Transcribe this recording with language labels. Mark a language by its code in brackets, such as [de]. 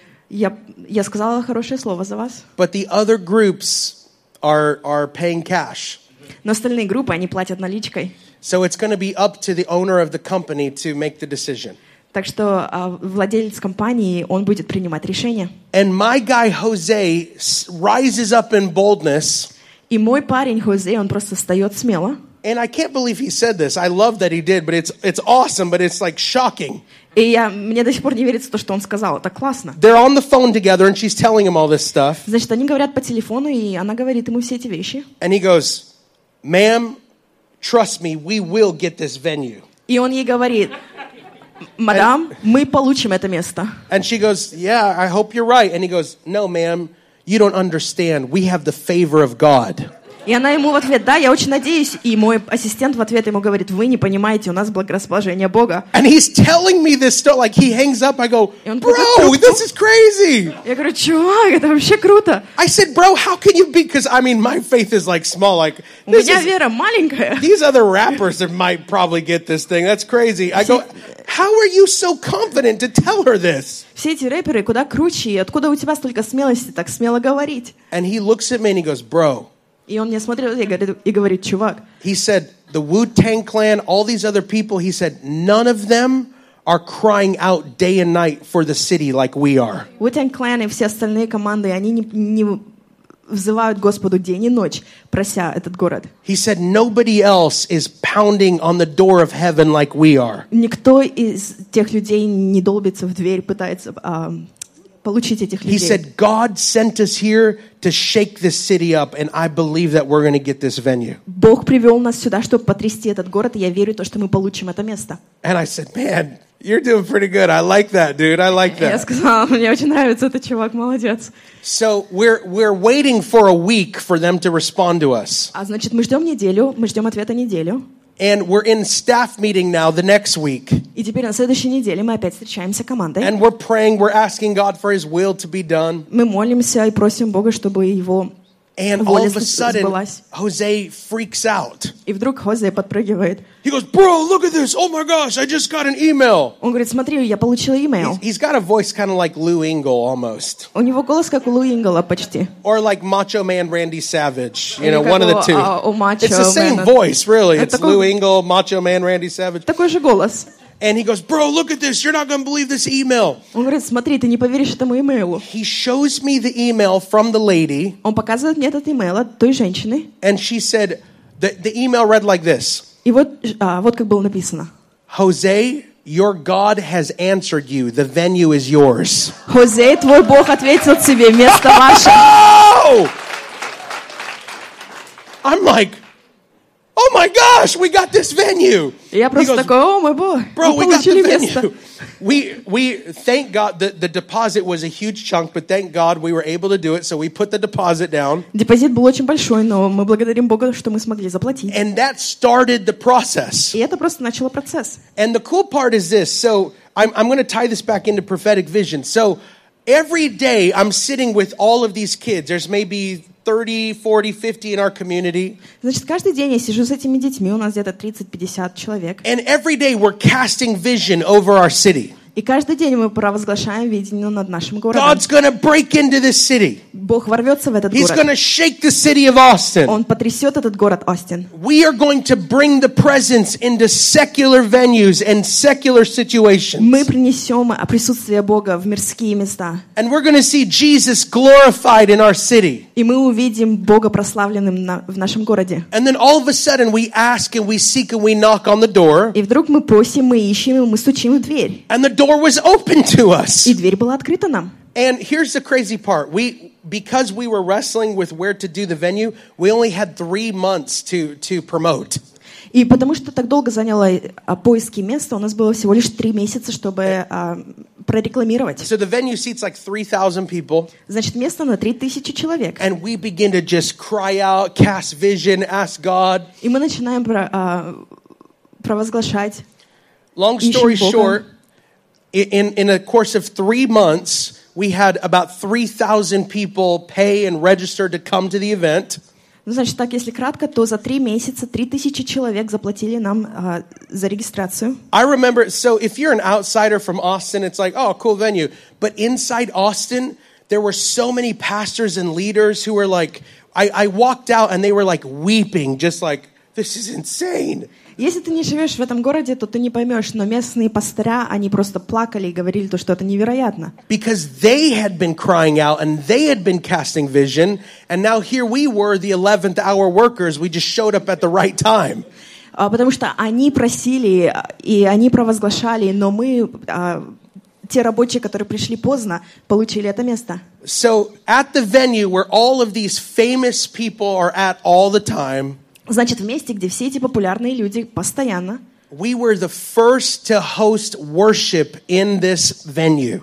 [ru] Я сказала хорошее слово за вас. [en] But the other groups are paying cash. [ru] Но остальные группы, они платят наличкой. [en] So it's going to be up to the owner of the company to make the decision. [ru] Так что владелец компании, он будет принимать решение. [en] And my guy Jose rises up in boldness. [ru] И мой парень Хосе, он просто встает смело. [en] And I can't believe he said this. I love that he did, but it's awesome, but it's like shocking. [ru] И мне до сих пор не верится то, что он сказал. Это классно. [en] They're on the phone together, and she's telling him all this stuff. [ru] Значит, они говорят по телефону, и она говорит ему все эти вещи. [en] And he goes, ma'am, Trust me, we will get this venue. [ru] И он ей говорит: "Мадам, мы получим это место". [en] And she goes, "Yeah, I hope you're right". And he goes, "No, ma'am, you don't understand. We have the favor of God". [ru] И она ему в ответ: "Да, я очень надеюсь". И мой ассистент в ответ ему говорит: "Вы не понимаете, у нас благорасположение Бога". [en] And he's telling me this story, like he hangs up. I go, "Bro, this is crazy". [ru] Я говорю: "Чувак, это вообще круто". [en] I said, "Bro, how can you be? Because I mean, my faith is like small. Like this is, [ru] вера маленькая. [en] These other rappers that might probably get this thing. That's crazy". I go, "How are you so confident to tell her this?" [ru] Все эти рэперы куда круче, откуда у тебя столько смелости так смело говорить? [en] And he looks at me and he goes, "Bro". [ru] И он мне смотрел и говорит: "Чувак". [en] He said, "The Wu-Tang Clan, all these other people, he said, none of them are crying out day and night for the city like we are". [ru] Wu-Tang Clan и все остальные команды, они не взывают Господу день и ночь, прося этот город. [en] He said, "Nobody else is pounding on the door of heaven like we are". [ru] Никто из тех людей не долбится в дверь, пытается получить этих людей. [en] He said, "God sent us here to shake this city up, and I believe that we're going to get this venue". [ru] Бог привел нас сюда, чтобы потрясти этот город, и я верю то, что мы получим это место. [en] And I said, "Man, you're doing pretty good. I like that, dude. I like that". [ru] Я сказала: "Мне очень нравится этот чувак, молодец". [en] So we're waiting for a week for them to respond to us. [ru] А значит, мы ждем неделю, мы ждем ответа неделю. [en] And we're in staff meeting now the next week. [ru] И теперь на следующей неделе мы опять встречаемся командой. [en] And we're praying, we're asking God for His will to be done. [ru] Мы молимся и просим Бога, чтобы Его воля сбылась. [en] And all of a sudden, Jose freaks out. [ru] И вдруг Хозе подпрыгивает. [en] He goes, "Bro, look at this! Oh my gosh, I just got an email". [ru] Он говорит: "Смотри, я получил email". [en] He's got a voice kind of like Lou Engle almost. [ru] У него голос как у Лу Ингела почти. [en] Or like Macho Man Randy Savage, you know, one of the two. Macho It's the same man. Voice, really. It's [ru] такой... [en] Lou Engle, Macho Man Randy Savage. [ru] Такой же голос. [en] And he goes, "Bro, look at this! You're not going to believe this email". [ru] Он говорит: "Смотри, ты не поверишь этому emailу". [en] He shows me the email from the lady. [ru] Он показывает мне этот email от той женщины. [en] And she said, the email read like this. [ru] И вот, вот как было написано: [en] "Jose, your God has answered you. The venue is yours". [ru] Jose, твой Бог ответил тебе, место ваше. [en] I'm like, "Oh my gosh, we got this venue". [ru] Я просто такой: "О, мой Бог, [en] bro, [ru] мы получили место". [en] We thank God the deposit was a huge chunk, but thank God we were able to do it, so we put the deposit down. [ru] Депозит был очень большой, но мы благодарим Бога, что мы смогли заплатить. [en] And that started the process. [ru] И это просто начало процесс. [en] And the cool part is this. So I'm going to tie this back into prophetic vision. So every day I'm sitting with all of these kids. There's maybe 30, 40, 50 in our community. [ru] Значит, каждый день я сижу с этими детьми, у нас где-то 30-50 человек. [en] And every day we're casting vision over our city. [ru] И каждый день мы провозглашаем видение над нашим городом. [en] God's gonna break into this city. [ru] Бог ворвется в этот [en] He's [ru] город. [en] Gonna shake the city of Austin. [ru] Он потрясет этот город Остин. [en] We are going to bring the presence into secular venues and secular situations. [ru] Мы принесем присутствие Бога в мирские места. [en] And we're gonna see Jesus glorified in our city. [ru] И мы увидим Бога прославленным в нашем городе. [en] And then all of a sudden we ask and we seek and we knock on the door. [ru] И вдруг мы просим, мы ищем и мы стучим в дверь. [en] And the door was open to us. [ru] И дверь была открыта нам. [en] And here's the crazy part. Because we were wrestling with where to do the venue, we only had 3 months to promote. [ru] И потому что так долго заняло поиски места, у нас было всего лишь 3 месяца, чтобы прорекламировать. [en] So the venue seats like 3,000 people. [ru] Значит, место на 3,000 человек. [en] And we begin to just cry out, cast vision, ask God. [ru] И мы начинаем провозглашать. [en] Long story short, in the course of 3 months, we had about 3,000 people pay and register to come to the event. [ru] Ну, значит, так, если кратко, то за 3 месяца 3,000 человек заплатили нам за регистрацию. [en] I remember, so if you're an outsider from Austin, it's like, oh, cool venue. But inside Austin, there were so many pastors and leaders who were like, I walked out and they were like weeping, just like, this is insane. [ru] Если ты не живешь в этом городе, то ты не поймешь, но местные пастыря, они просто плакали и говорили то, что это невероятно. [en] Because they had been crying out and they had been casting vision, and now here we were, the 11th hour workers, we just showed up at the right time. [ru] Потому что они просили и они провозглашали, но мы, те рабочие, которые пришли поздно, получили это место. [en] So at the venue where all of these famous people are at all the time, [ru] Значит, в месте, где все эти популярные люди постоянно. [en] We were the first to host worship in this venue.